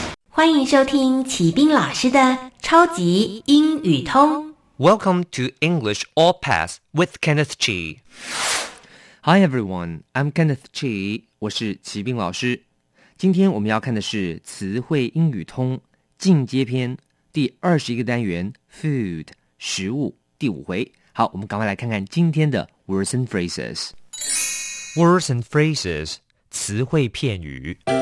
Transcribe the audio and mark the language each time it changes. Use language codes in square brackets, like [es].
[zh] 欢迎收听启斌老师的超级英语通。 [en] Welcome to English All Pass with Kenneth Chi. Hi everyone, I'm Kenneth Chi. [zh] 我是启斌老师。今天我们要看的是词汇英语通进阶篇第21个单元 Food 食物第五回。好，我们赶快来看看今天的 [en] Words and Phrases. Words and Phrases [zh] 词汇片语。